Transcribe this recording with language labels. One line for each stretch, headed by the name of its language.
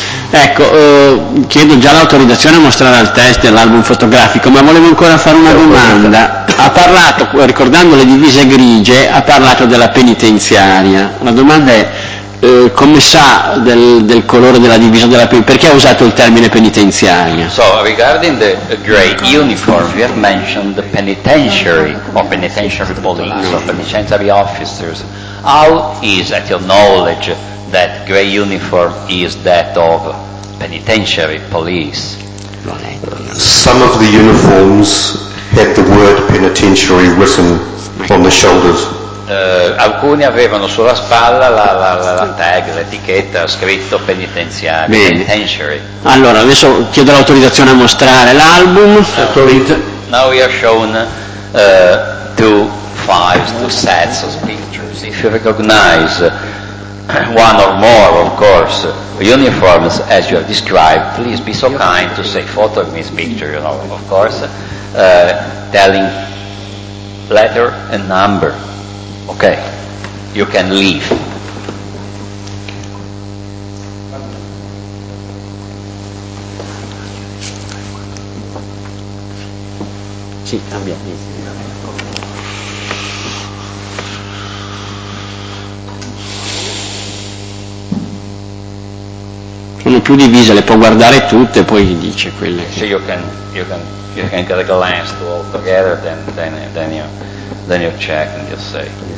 Italian: Ecco, chiedo già l'autorizzazione a mostrare al test l'album fotografico, ma volevo ancora fare una domanda. Ha parlato, ricordando le divise grigie, ha parlato della penitenziaria. La domanda è, come sa del colore della divisa della penitenziaria? Perché ha usato il termine penitenziaria?
English: So, regarding the gray uniform, we have mentioned the penitentiary, or penitentiary police, or penitentiary officers. How is at your knowledge that grey uniform is that of penitentiary police? Some of the uniforms had the word penitentiary written on the shoulders.
Italian: Alcuni avevano sulla spalla la tag, l'etichetta, scritto penitenziario, penitentiary. Allora, adesso chiedo l'autorizzazione a mostrare l'album.
English: Now we are shown two sets of pictures. If you recognize one or more, of course, uniforms as you have described, please be so kind to say photo of this picture, you know, of course, telling letter and number. Okay, you can leave.
Italian: Sì, abbiamo visto. Sono più divise, le può guardare tutte, poi dice quelle.
English: So you can get a glance to all together, then you check and just say.